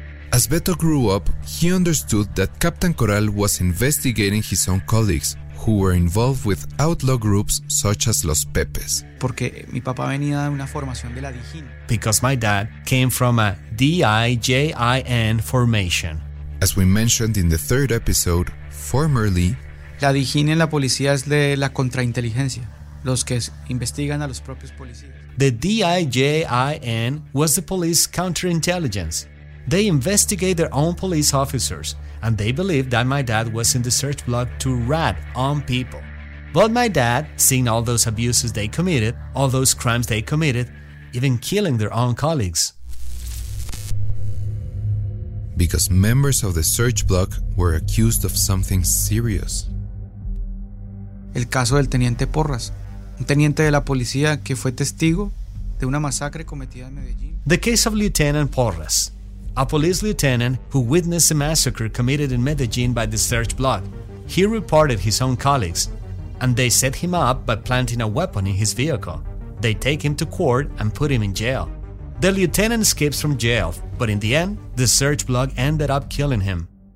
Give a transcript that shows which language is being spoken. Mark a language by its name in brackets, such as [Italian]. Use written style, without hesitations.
[English] As Beto grew up, he understood that Captain Corral was investigating his own colleagues who were involved with outlaw groups such as Los Pepes. [Spanish] Porque mi papá venía de una formación de la DIJIN. [English] Because my dad came from a DIJIN formation. As we mentioned in the third episode, formerly, [Spanish] la DIJIN en la policía es de la contrainteligencia, los que investigan a los propios policías. [English] The DIJIN was the police counterintelligence. They investigate their own police officers, and they believe that my dad was in the search block to rat on people. But my dad, seeing all those abuses they committed, all those crimes they committed, even killing their own colleagues. Because members of the search block were accused of something serious. [Spanish] El caso del Teniente Porras, un teniente de la policía que fue testigo de una masacre cometida en Medellín. [English] The case of Lieutenant Porras, a police lieutenant who witnessed a massacre committed in Medellín by the search block. He reported his own colleagues, and they set him up by planting a weapon in his vehicle. They take him to court and put him in jail. The lieutenant escapes from jail, but in the end, the search block ended up killing him.